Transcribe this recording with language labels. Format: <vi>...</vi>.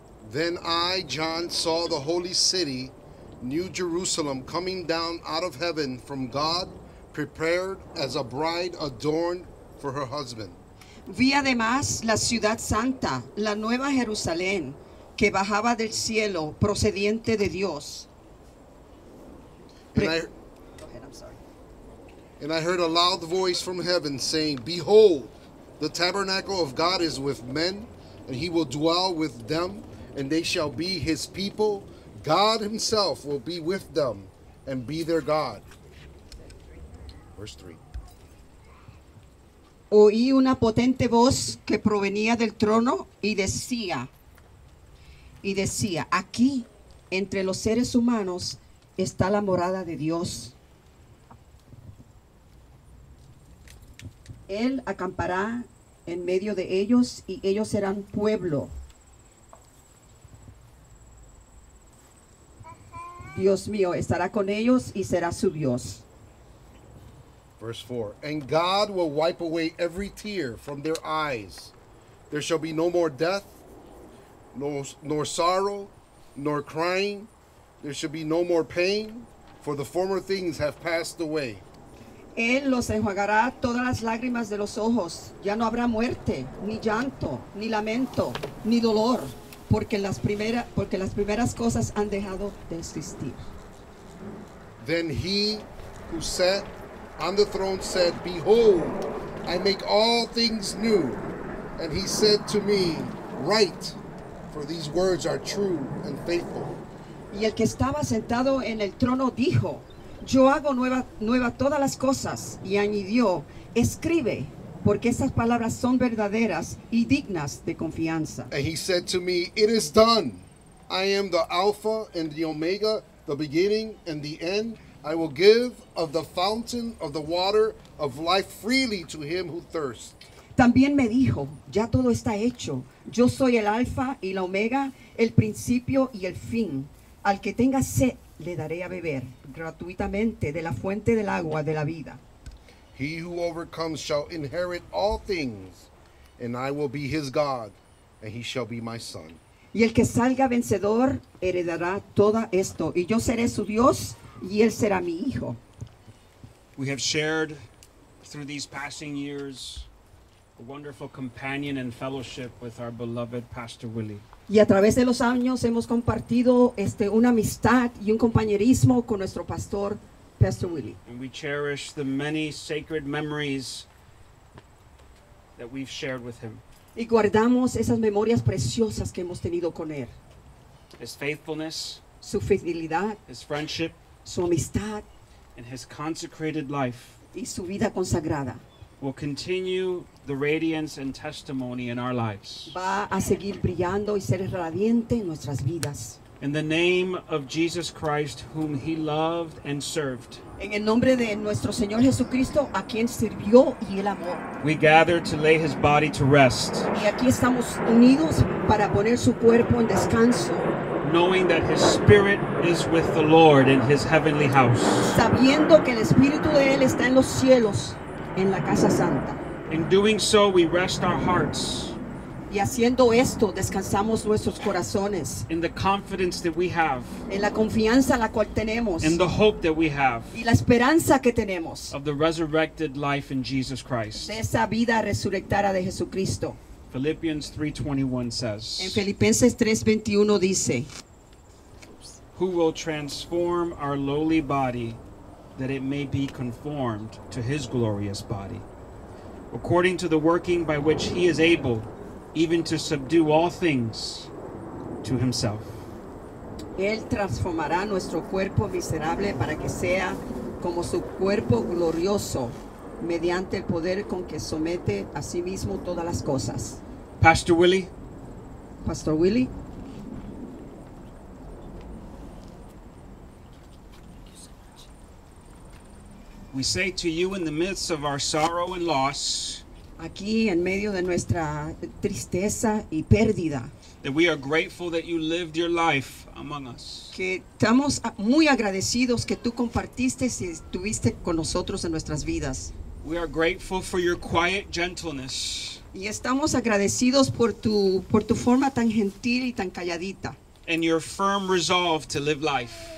<en>Then I, John, saw the holy city, New Jerusalem, coming down out of heaven from God, prepared as a bride adorned for her husband.</en> <es>Vi además la ciudad santa, la nueva Jerusalén, que bajaba del cielo procediente de Dios.</es> <en>And I heard a loud voice from heaven saying, Behold, the tabernacle of God is with men, and he will dwell with them, and they shall be his people. God himself will be with them and be their God. Verse 3.</en> <es>Oí una potente voz que provenía del trono y decía, aquí, entre los seres humanos, está la morada de Dios. Él acampará en medio de ellos y ellos serán pueblo. Dios mío estará con ellos y será su Dios.</es> <en>Verse 4. And God will wipe away every tear from their eyes. There shall be no more death, nor sorrow, nor crying. There shall be no more pain, for the former things have passed away.</en> <es>Él los enjuagará todas las lágrimas de los ojos. Ya no habrá muerte, ni llanto, ni lamento, ni dolor, porque las primeras cosas han dejado de existir.</es> <en>Then he who sat on the throne said, Behold, I make all things new. And he said to me, Write. For these words are true and faithful.</en> <es>Y el que estaba sentado en el trono dijo, Yo hago nueva todas las cosas. Y añadió, Escribe, porque estas palabras son verdaderas y dignas de confianza.</es> <en>And he said to me, It is done. I am the Alpha and the Omega, the beginning and the end. I will give of the fountain of the water of life freely to him who thirsts.</en> <es>También me dijo, ya todo está hecho. Yo soy el alfa y la omega, el principio y el fin. Al que tenga sed, le daré a beber gratuitamente de la fuente del agua de la vida.</es> <en>He who overcomes shall inherit all things, and I will be his God, and he shall be my son.</en> <es>Y el que salga vencedor heredará todo esto, y yo seré su Dios, y él será mi hijo.</es> <en>We have shared through these passing years a wonderful companion and fellowship with our beloved Pastor Willie.</en> <es>Y a través de los años hemos compartido una amistad y un compañerismo con nuestro pastor, Pastor Willie.</es> <en>And we cherish the many sacred memories that we've shared with him.</en> <es>Y guardamos esas memorias preciosas que hemos tenido con él.</es> <en>His faithfulness,</en> <es>su fidelidad,</es> <en>his friendship,</en> <es>su amistad,</es> <en>and his consecrated life,</en> <es>y su vida consagrada,</es> <en>will continue the radiance and testimony in our lives.</en> <es>Va a seguir brillando y ser radiante en nuestras vidas.</es> <en>In the name of Jesus Christ, whom he loved and served.</en> <es>En el nombre de nuestro Señor Jesucristo, a quien sirvió y él amó.</es> <en>We gather to lay his body to rest.</en> <es>Y aquí estamos unidos para poner su cuerpo en descanso.</es> <en>Knowing that his spirit is with the Lord in his heavenly house.</en> <es>Sabiendo que el espíritu de él está en los cielos, en la casa santa.</es> <en>In doing so, we rest our hearts.</en> <es>Y haciendo esto, descansamos nuestros corazones.</es> <en>In the confidence that we have.</en> <es>En la confianza la cual tenemos.</es> <en>In the hope that we have.</en> <es>Y la esperanza que tenemos.</es> <en>Of the resurrected life in Jesus Christ.</en> <es>De esa vida resucitada de Jesucristo.</es> <en>Philippians 3:21 says.</en> <es>En Filipenses 3:21 dice.</es> <en>Who will transform our lowly body, that it may be conformed to his glorious body, according to the working by which he is able even to subdue all things to himself.</en> <es>Él transformará nuestro cuerpo miserable para que sea como su cuerpo glorioso, mediante el poder con que somete a sí mismo todas las cosas.</es> <en>Pastor Willie.</en> <es>Pastor Willie.</es> <en>We say to you in the midst of our sorrow and loss,</en> <es>aquí en medio de nuestra tristeza y pérdida,</es> <en>that we are grateful that you lived your life among us.</en> <es>Que estamos muy agradecidos que tú compartiste y estuviste con nosotros en nuestras vidas.</es> <en>We are grateful for your quiet gentleness.</en> <es>Y estamos agradecidos por tu forma tan gentil y tan calladita.</es> <en>And your firm resolve to live life.</en>